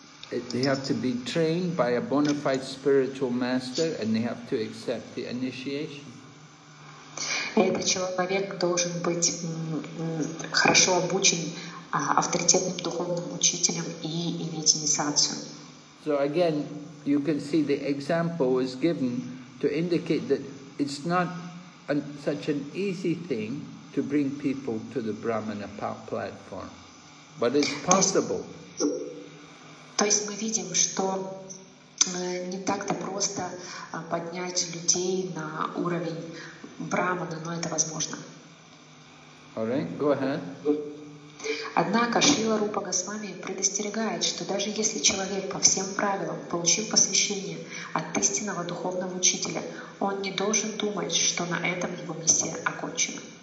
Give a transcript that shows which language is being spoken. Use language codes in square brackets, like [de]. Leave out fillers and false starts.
[en] They have to be trained by a bona fide spiritual master, and they have to accept the initiation. [ru] Этот человек должен быть хорошо обучен авторитетным духовным учителем и иметь инициацию. [en] So again, you can see the example was given to indicate that it's not such an easy thing to bring people to the Brahmana platform, but it's possible. [ru] То есть мы видим, что не так-то просто поднять людей на уровень Брахмана, но это возможно. [en] All right, go ahead. [ru] Однако Шрила Рупа Госвами предостерегает, что даже если человек по всем правилам получил посвящение от истинного духовного учителя, он не должен думать, что на этом его миссия окончена.